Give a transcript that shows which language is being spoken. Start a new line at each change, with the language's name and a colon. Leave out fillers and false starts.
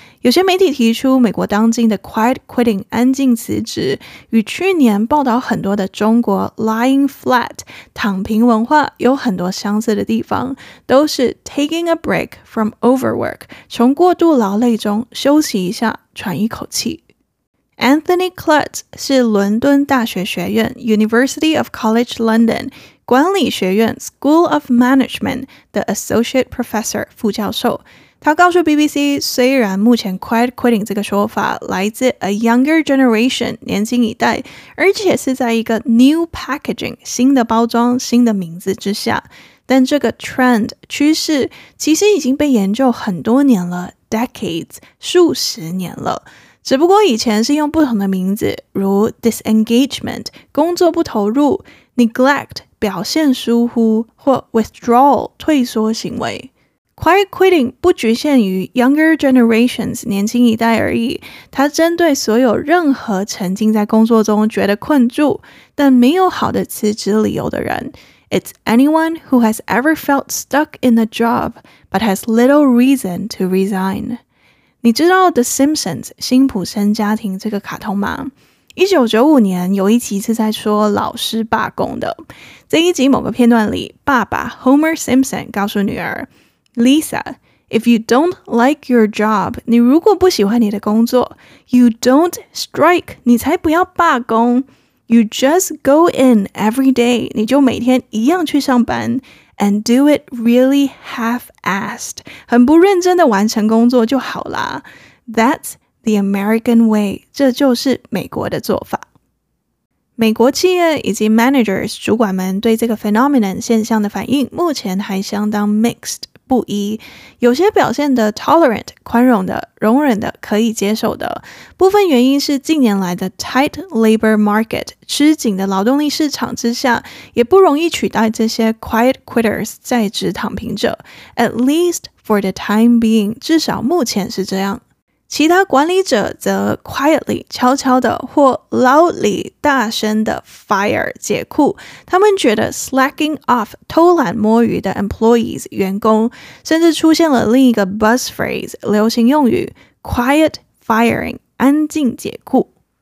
Chinese: 有些媒体提出，美国当今的 quiet quitting 安静辞职，与去年报道很多的中国 lying flat 躺平文化有很多相似的地方，都是
English: taking a break from overwork,
Chinese: 从过度劳累中休息一下，喘一口气。 Anthony Klutz 是伦敦大学学院 University of College London 管理学院 School of Management 的 Associate Professor 副教授。他告诉 BBC, 虽然目前 quiet quitting 这个说法来自
English: a younger generation,
Chinese: 年轻一代，而且是在一个 new packaging, 新的包装、新的名字之下，但这个 trend, 趋势其实已经被研究很多年了， decades, 数十年了。只不过以前是用不同的名字，如 disengagement, 工作不投入， neglect, 表现疏忽，或 withdrawal, 退缩行为。 Quiet quitting 不局限于 younger generations 年轻一代而已，它针对所有任何沉浸在工作中觉得困住但没有好的辞职理由的人。
English: It's anyone who has ever felt stuck in a job but has little reason to resign.
Chinese: 你知道 The Simpsons 辛普森家庭这个卡通吗？ 1995年有一集是在说老师罢工的。这一集某个片段里，爸爸 Homer Simpson 告诉女儿Lisa,
English: if you don't like your job,
Chinese: 你如果不喜欢你的工作，
English: you don't strike,
Chinese: 你才不要罢工。
English: You just go in every day,
Chinese: 你就每天一样去上班，
English: and do it really half-assed,
Chinese: 很不认真的完成工作就好啦。
English: That's the American way,
Chinese: 这就是美国的做法。美国企业以及 managers, 主管们对这个 phenomenon 现象的反应目前还相当 mixed,不一，有些表现的 tolerant, 宽容的，容忍的，可以接受的。部分原因是近年来的
English: tight labor market,
Chinese: 吃紧的劳动力市场之下，也不容易取代这些 quiet quitters, 在职躺平者。
English: At least for the time being,
Chinese: 至少目前是这样。其他管理者则 quietly, 悄悄的，或 loudly, 大声的 fire, 解雇。他们觉得 slacking off, 偷懒摸鱼的 employees, 员工，甚至出现了另一个 buzz phrase, 流行用语 quiet firing, 安静解雇。